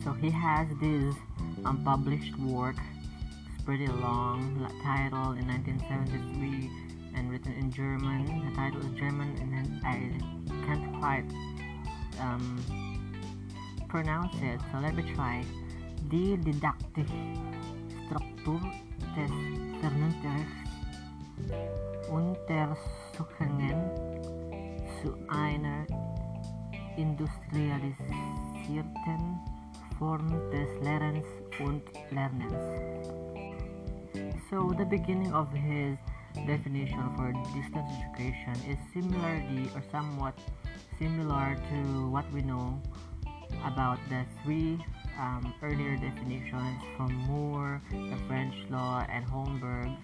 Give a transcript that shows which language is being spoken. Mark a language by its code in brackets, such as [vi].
[en] So he has this unpublished work, it's pretty long, titled in 1973 and written in German. The title is German and then I can't quite pronounce it, so let me try. [de] Die didaktische Struktur des Vernunftes Untersuchungen zu einer industrialisierten Form des Lehrens und Lernens. [en] So the beginning of his definition for distance education is similarly or somewhat similar to what we know about the three earlier definitions from Moore, the French law, and Holmberg.